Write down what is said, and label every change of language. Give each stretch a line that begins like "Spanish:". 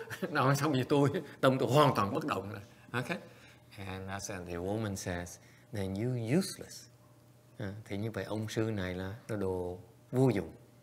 Vietnamese: Nói xong như tôi, tâm tôi hoàn toàn bất động rồi. Okay.
English: And as the woman says, then you useless.
Vietnamese: Thì như vậy ông sư này là nó đồ vô dụng.